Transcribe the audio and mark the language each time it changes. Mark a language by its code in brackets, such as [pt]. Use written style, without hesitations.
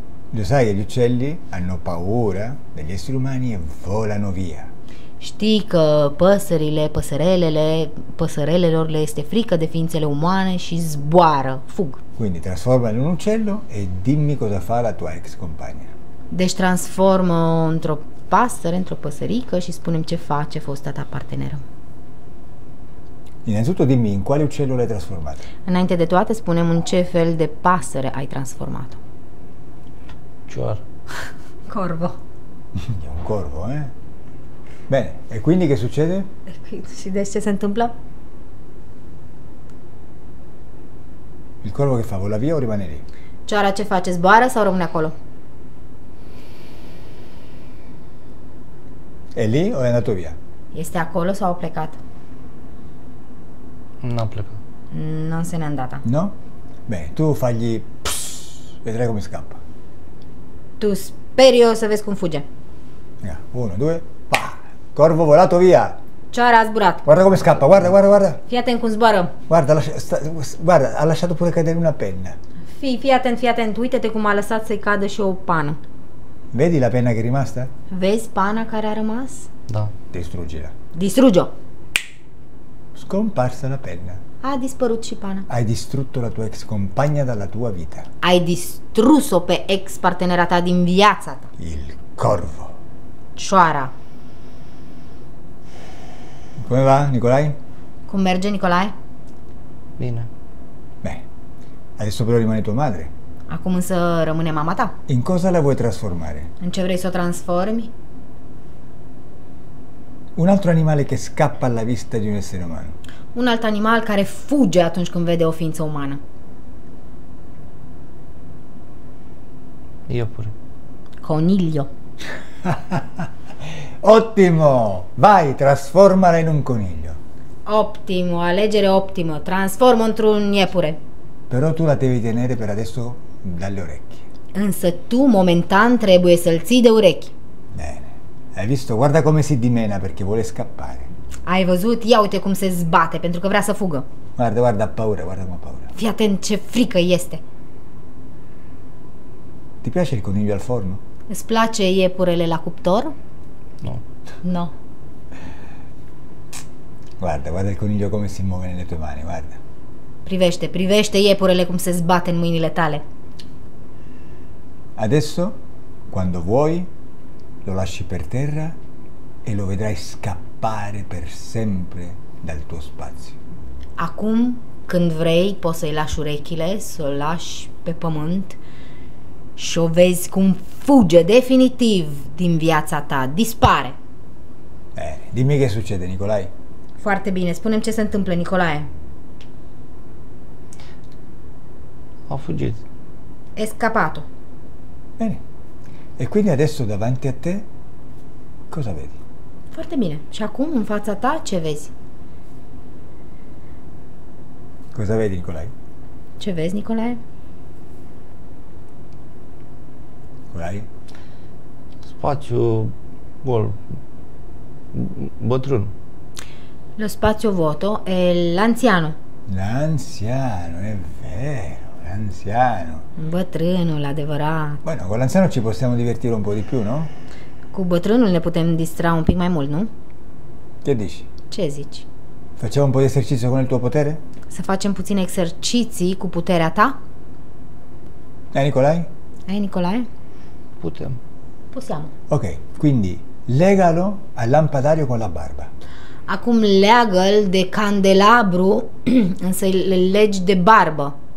[it] Lo sai che gli uccelli hanno paura degli esseri umani e volano via. [ro] Știi că păsările, păsărelele, păsărelelor le este frică de ființele umane și zboară, fug. [it] Quindi transforma in un uccello e dimmi cosa fa la tua ex compagna. [ro] Deci transformă într-o pasăre, într-o păsărică și spune-mi ce face fosta ta parteneră. [it] Innanzitutto dimmi in quale uccello l'hai trasformata. [ro] Înainte de toate spune-mi în ce fel de pasăre ai transformat-o. Cior. [it] Corvo. E un corvo, eh? Bene, e quindi che succede? [ro] Si desce se întâmplă? [it] Il corvo che fa? Vola via o rimane lì? [ro] Cioara ce face? Zboară sau rămâne acolo? [it] E lì o è andato via? [ro] Este acolo sau a plecat? Nu a plecat. [it] Non se n'è andata. No? Bene, tu fagli pss, vedrai come scappa. [ro] Tu speri o să vezi cum fuge. [it] Ia, uno, due. Corvo volato via. [ro] Cioara a zburat. [it] Guarda come scappa, guarda, guarda, guarda. [ro] Fii atent cum zboară. [it] Guarda, ha lasciato pure cadere una penna. [ro] Fii atent, uite-te cum a lăsat să-i cadă și o pană. [it] Vedi la penna che è rimasta? [ro] Vezi pana care a rămas? Da. Distrugi-la. Distrugi-o. [it] Scomparsa la penna. [ro] A dispărut și pana. [it] Hai distrutto la tua ex compagna dalla tua vita. [ro] Hai distrus-o pe ex partenera ta din viața ta. [it] Il corvo. [ro] Cioara. [it] Come va, Nicolai? [ro] Cum merge, Nicolai? Bine. [it] Bene. Adesso però rimane tua madre. [ro] Acum însă rămâne mama ta. [it] In cosa la vuoi trasformare? [ro] În ce vrei să o transformi? [it] Un altro animale che scappa alla vista di un essere umano. [ro] Un alt animal care fuge atunci când vede o ființă umană. [it] Io pure. Coniglio. Ottimo! Vai, trasformala in un coniglio. Ottimo, alegere ottimo. [ro] Transformo într-un iepure. [it] Però tu la devi tenere per adesso dalle orecchie. [ro] Însă tu momentan trebuie să-l ții de urechi. [it] Bene. Hai visto? Guarda come si dimena perché vuole scappare. [ro] Hai văzut? Ia uite cum se zbate pentru că vrea să fugă. [it] Guarda, guarda, paura, guarda cum ha paura. [ro] Fii atent ce frică este. [it] Ti piace il coniglio al forno? [ro] Îți place iepurele la cuptor? [it] No. [ro] No. [it] Guarda, guarda il coniglio come si muove nelle tue mani, guarda. [ro] Privește, privește iepurele cum se zbate în mâinile tale. [it] Adesso, quando vuoi, lo lasci per terra e lo vedrai scappare per sempre dal tuo spazio. [ro] Acum, când vrei, poți să-i lași urechile, să-l lași pe pământ și o vezi cum fuge definitiv din viața ta, dispare. [it] Bene, dimmi che succede, Nicolae. [ro] Foarte bine, spune-mi ce se întâmplă, Nicolae. A fugit. [it] È scappato. Bene. E quindi adesso davanti a te cosa vedi? [ro] Foarte bine. Și acum în fața ta ce vezi? [it] Cosa vedi, Nicolae? [ro] Ce vezi, Nicolae? Nicolae? Spațiu gol. Bătrân. [it] Lo spazio vuoto è l'anziano. L'anziano, è vero. Anziano. [ro] Bătrânul, adevărat. [it] Bueno, con l'anziano ci possiamo divertire un po' di più, no? [ro] Cu bătrânul ne putem distra un pic mai mult, nu? [it] Che dici? [ro] Ce zici? [it] Facciamo un po' di esercizio con il tuo potere? [ro] Să facem puține exerciții cu puterea ta? [it] Hai Nicolae? [ro] Hai Nicolae? Putem. [it] Possiamo. Ok, quindi legalo al lampadario con la barba. [ro] Acum leagă-l de candelabru, însă le legi de barbă.